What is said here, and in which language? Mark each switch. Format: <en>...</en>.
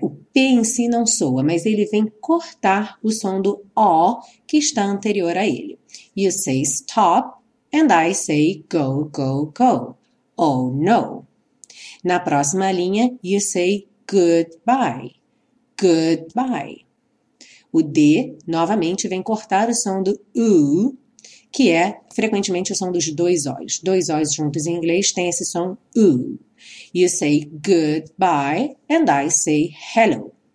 <pt>O P em si não soa, mas ele vem cortar o som do O que está anterior a ele.</pt> <en>You say stop and I say go, go, go. Oh, no.</en> <pt>Na próxima linha,</pt> <en>you say goodbye.</en> <pt>Goodbye. O D, novamente, vem cortar o som do U, que é frequentemente o som dos dois Os. Dois Os juntos em inglês tem esse som U.</pt> <en>You say goodbye and I say hello.</en>